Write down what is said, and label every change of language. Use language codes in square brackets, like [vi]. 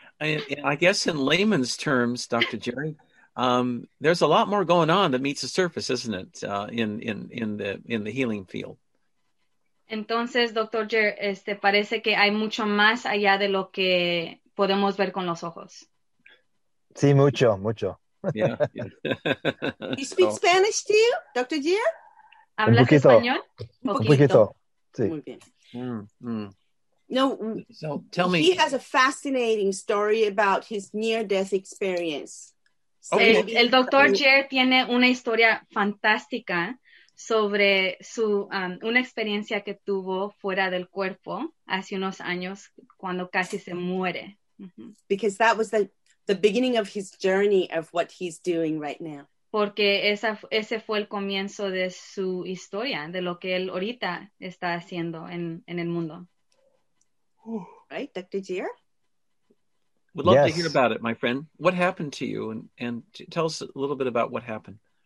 [en] I guess in layman's terms, Dr. Jerry, there's a lot more going on that meets the surface, isn't it, in the healing field. [es] Entonces, Dr. Jerry, parece que hay mucho más allá de lo que podemos ver con los ojos. Sí, mucho, mucho. [en] Yeah. You speak Spanish to you, Dr. Jerry? [es] ¿Hablas poquito. Español? Un poquito, sí. Muy bien. [en] No, so tell me. He has a fascinating story about his near-death experience. [es] Okay. El Dr. Jer tiene una historia fantástica sobre su una experiencia que tuvo fuera del cuerpo hace unos años cuando casi se muere. Mm-hmm. [en] Because that was the beginning of his journey of what he's doing right now. [es] Porque ese fue el comienzo de su historia, de lo que él ahorita está haciendo en el mundo. [en] Right, Dr. Gier? Would love to hear about it, my friend. What happened to you? And tell us a little bit about what happened.